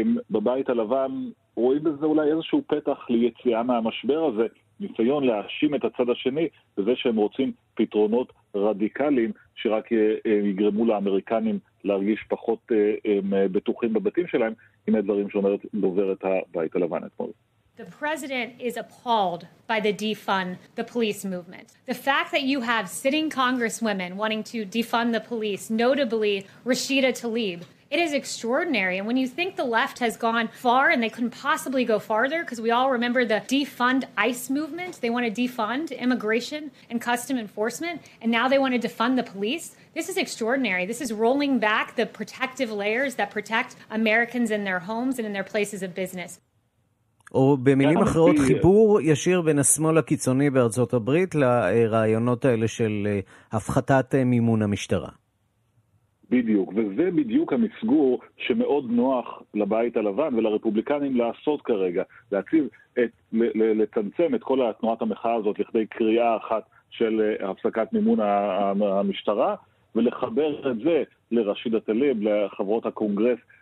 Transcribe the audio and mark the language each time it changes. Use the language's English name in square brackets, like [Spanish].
[Hebrew] בבית הלבן רואים בזה אולי איזשהו פתח ליציאה מהמשבר הזה, ניסיון להאשים את הצד השני, וזה שהם רוצים פתרונות רדיקליים, שרק יגרמו לאמריקנים להרגיש פחות בטוחים בבתים שלהם. הנה דברים שאומרת דוברת הבית הלבן אתמול. [English] The president is appalled by the defund the police movement. The fact that you have sitting congresswomen wanting to defund the police, notably Rashida Tlaib, it is extraordinary. And when you think the left has gone far and they couldn't possibly go farther, because we all remember the defund ICE movement, they want to defund immigration and custom enforcement, and now they want to defund the police. This is extraordinary. This is rolling back the protective layers that protect Americans in their homes and in their places of business. [Hebrew] או במילים אחרות, חיבור ישיר בין השמאל הקיצוני בארצות הברית לרעיונות האלה של הפחתת מימון המשטרה. בדיוק, וזה בדיוק המסגור שמאוד נוח לבית הלבן ולרפובליקנים לעשות כרגע, להציב את, לצמצם את כל התנועת המחאה הזאת לכדי קריאה אחת של הפסקת מימון המשטרה, ולחבר את זה לרשיד הטליב, לחברות הקונגרס,